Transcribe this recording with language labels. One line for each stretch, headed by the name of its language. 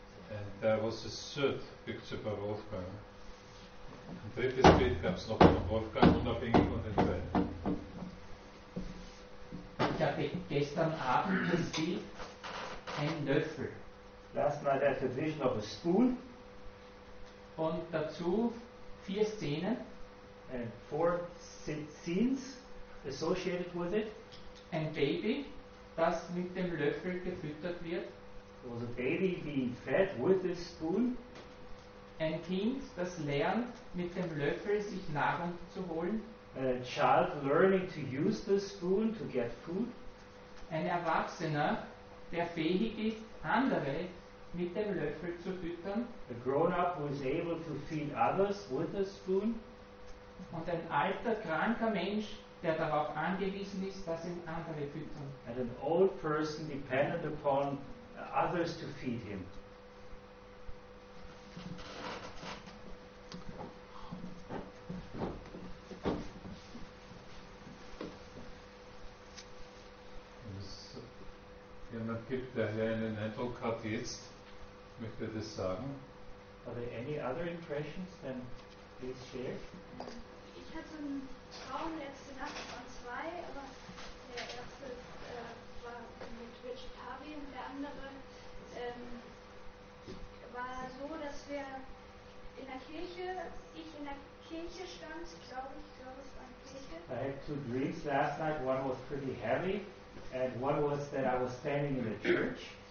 English: And there was a third picture by Wolfgang.
German: Ein drittes Bild gab es noch von Wolfgang, unabhängig von den beiden. Ich hatte gestern Abend gesehen, ein Löffel.
English: Last night I had a vision of a spoon.
German: Und dazu vier Szenen.
English: And four scenes associated with it.
German: Ein Baby, das mit dem Löffel gefüttert wird.
English: There was a baby being fed with a spoon.
German: Ein Kind, das lernt, mit dem Löffel sich Nahrung zu holen.
English: A child learning to use the spoon to get food.
German: Ein Erwachsener, der fähig ist, andere mit dem Löffel zu füttern.
English: A grown-up who is able to feed others with a spoon.
German: Und ein alter, kranker Mensch, der darauf angewiesen ist, dass ihn andere füttern.
English: And an old person dependent upon others to feed him.
German: Wenn es jemand gibt, der hier einen Eindruck hat jetzt, möchte das sagen.
English: Are there any other impressions than please share?
German: Ich hatte einen Traum letzte Nacht, von zwei, aber der erste war mit Richard Harvey und der andere war so, dass wir in der Kirche, ich in der Kirche stand, glaube es war in der Kirche.
English: I had two dreams last night, one was pretty heavy, and one was that I was standing in a church.